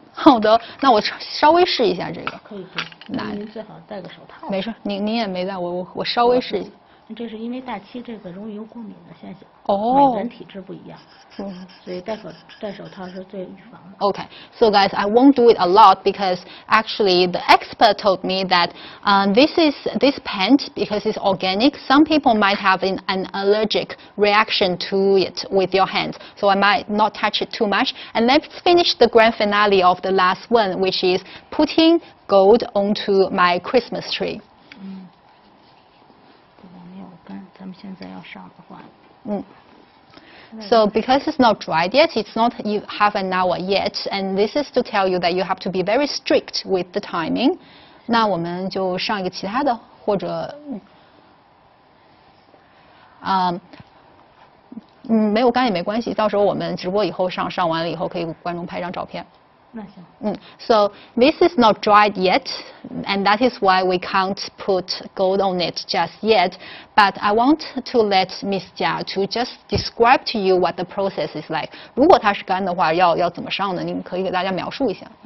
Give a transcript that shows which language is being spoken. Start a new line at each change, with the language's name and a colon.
Chinese: 好的，那我稍微试一下这个。可以。那您最好戴个手套。没事，您也没戴，我稍微试一下。这是因为大漆这个容易有过敏的现象。每个人体质不一样。所以戴手套是最预防的。
English: Okay, so guys, I won't do it a lot because actually the expert told me that this paint, because it's organic, some people might have an allergic reaction to it with your hands. So I might not touch it too much. And let's finish the grand finale of the last one, which is putting gold onto my Christmas tree.
Chinese: 如果没有干，咱们现在要上的话。
English: So because it's not dried yet, it's not half an hour yet, and this is to tell you that you have to be very strict with the timing.
Chinese: 那我们就上一个其他的，或者，没有干也没关系，到时候我们直播以后上完了以后，可以观众拍张照片。
English: So this is not dried yet, and that is why we can't put gold on it just yet. But I want to let Miss Jia to just describe to you what the process is like.
Chinese: 如果它是干的话，要怎么上呢？您可以给大家描述一下。